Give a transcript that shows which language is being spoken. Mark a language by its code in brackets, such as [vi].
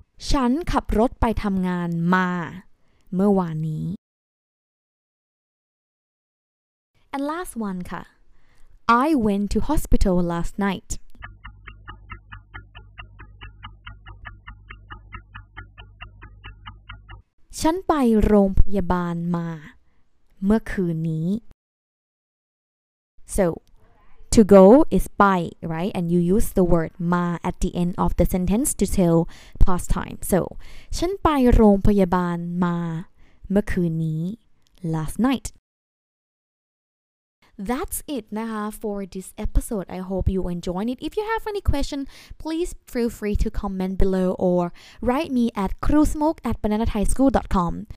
[th] ฉันขับรถไปทำงานมาเมื่อวานนี้ [en] And last one ค่ะ I went to hospital last night. [th] ฉันไปโรงพยาบาลมาเมื่อคืนนี้ [en] So, to go is by, right? And you use the word ma at the end of the sentence to tell past time. [th] So, ฉันไปโรงพยาบาลมาเมื่อคืนนี้ [en] last night. That's it นะคะ for this episode. I hope you enjoyed it. If you have any question, please feel free to comment below or write me at krusmoke@bananathaischool.com.